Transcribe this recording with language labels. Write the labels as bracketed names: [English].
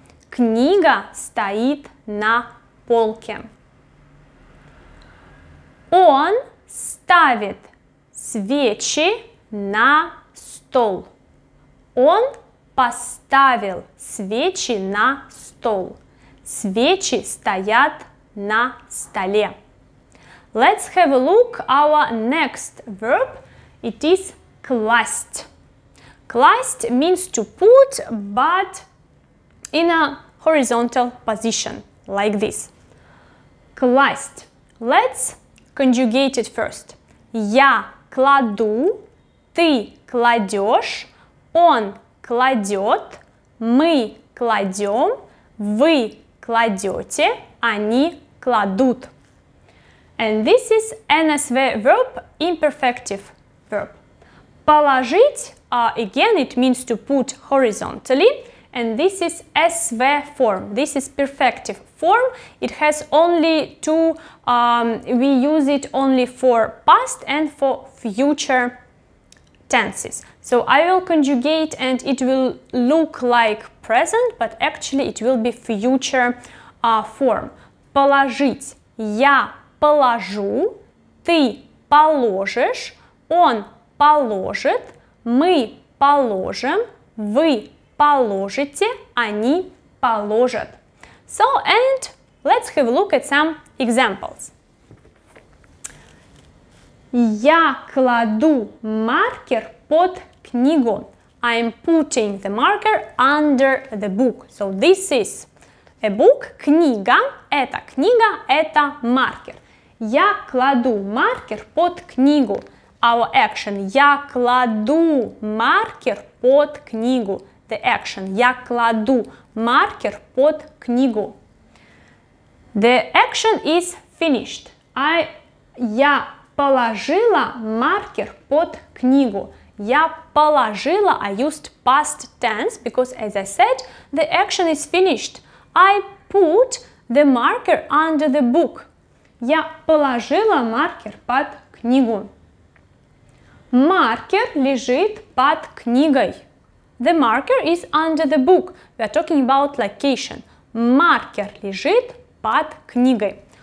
[Russian] Книга стоит на полке. Он ставит свечи на стол. Он поставил свечи на стол. Свечи стоят на столе. [English] Let's have a look at our next verb. It is класть. Класть means to put, but in a horizontal position, like this. Класть. Let's conjugate it first. [Russian] Я кладу, ты кладешь, он кладет, мы кладем, вы кладете, они кладут. [English] And this is NSV verb, imperfective verb. Положить, again, it means to put horizontally. And this is SV form. This is perfective form. It has only two, we use it only for past and for future tenses. So I will conjugate and it will look like present, but actually it will be future form. [Russian] Положить. Я положу, ты положишь, он положит, мы положим, вы положите, они положат. [English] So, and let's have a look at some examples. [Russian] Я кладу маркер под книгу. [English] I'm putting the marker under the book. So, this is a book, книга, [Russian] это маркер. Я кладу маркер под книгу. [English] Our action. [Russian] Я кладу маркер под книгу. [English] The action. [Russian] Я кладу маркер под книгу. [English] The action is finished. [Russian] Я положила маркер под книгу. Я положила. [English] I used past tense because, as I said, the action is finished. I put the marker under the book. [Russian] Я положила маркер под книгу. Маркер лежит под книгой. [English] The marker is under the book. We are talking about location. [Russian] Маркер лежит под книгой.